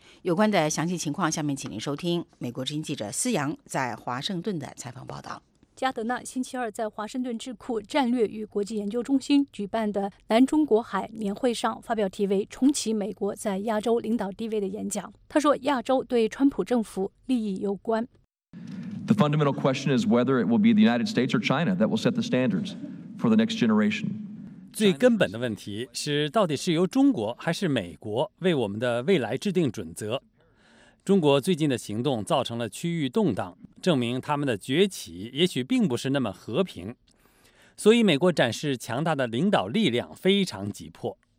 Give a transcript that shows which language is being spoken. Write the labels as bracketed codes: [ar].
[zh] 有关的详细情况，下面请您收听美国之音记者思阳在华盛顿的采访报道。加德纳星期二在华盛顿智库战略与国际研究中心举办的南中国海年会上发表题为《重启美国在亚洲领导地位》的演讲。他说，亚洲对川普政府利益攸关。 [en] The fundamental question is whether it will be the United States or China that will set the standards for the next generation. [zh] 最根本的问题是，到底是由中国还是美国为我们的未来制定准则？中国最近的行动造成了区域动荡，证明他们的崛起也许并不是那么和平。所以美国展示强大的领导力量非常急迫。